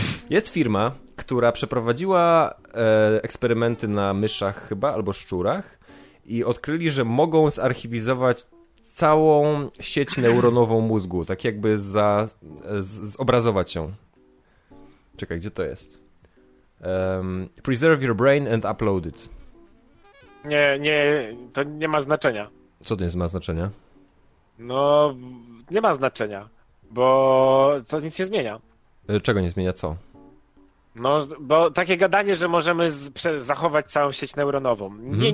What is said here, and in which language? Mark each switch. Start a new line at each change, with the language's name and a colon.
Polish: Jest firma, która przeprowadziła eksperymenty na myszach chyba, albo szczurach, i odkryli, że mogą zarchiwizować całą sieć neuronową mózgu, tak jakby zobrazować ją. Czekaj, gdzie to jest?
English: Preserve your brain and upload it.
Polish: Nie, nie, to nie ma znaczenia. Co to nie ma znaczenia? No, nie ma znaczenia, bo to nic nie zmienia. Czego nie zmienia, co? No, bo takie gadanie, że możemy zachować całą sieć neuronową. Mhm.